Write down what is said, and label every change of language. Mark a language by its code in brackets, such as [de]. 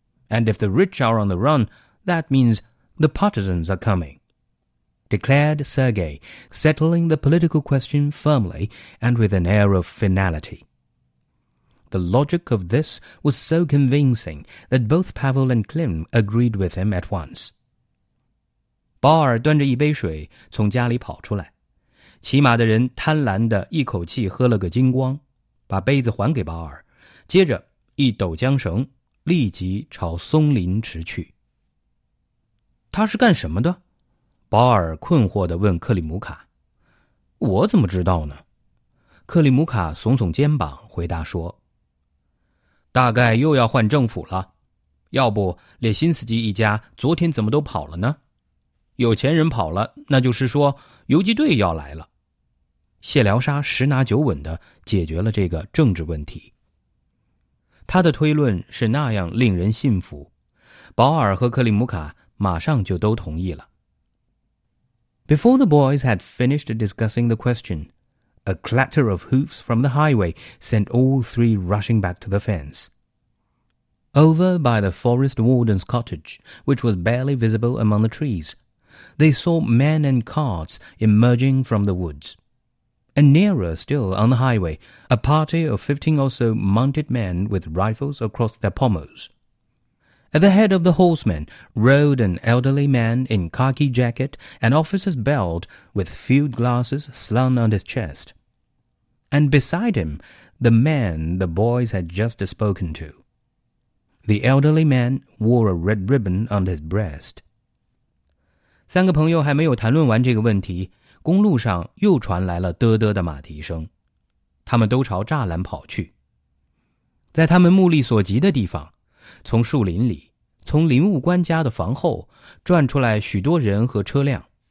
[en] And if the rich are on the run, that means the partisans are coming, declared Sergei, settling the political question firmly and with an air of finality. The logic of this was so convincing that both Pavel and Klim agreed with him at once. [zh] 保尔端着一杯水从家里跑出来。骑马的人贪婪地一口气喝了个精光，把杯子还给保尔。接着一抖缰绳，立即朝松林驰去。他是干什么的？保尔困惑地问克里姆卡。我怎么知道呢？克里姆卡耸耸肩膀回答说，大概又要换政府了。要不列辛斯基一家昨天怎么都跑了呢？有钱人跑了，那就是说游击队要来了。谢辽沙十拿九稳地解决了这个政治问题。他的推论是那样令人信服，保尔和克里姆卡马上就都同意了。 [en] Before the boys had finished discussing the question, a clatter of hoofs from the highway sent all three rushing back to the fence. Over by the forest warden's cottage, which was barely visible among the trees, they saw men and carts emerging from the woods. And nearer still, on the highway, a party of 15 or so mounted men with rifles across their pommels. At the head of the horsemen rode an elderly man in khaki jacket and officer's belt with field glasses slung on his chest. And beside him, the man the boys had just spoken to. The elderly man wore a red ribbon on his breast. [zh] 三个朋友还没有谈论完这个问题。公路上又传来了嘚嘚的马蹄声，他们都朝栅栏跑去。在他们目力所及的地方，从树林里，从林务官家的房后，转出来许多人和车辆。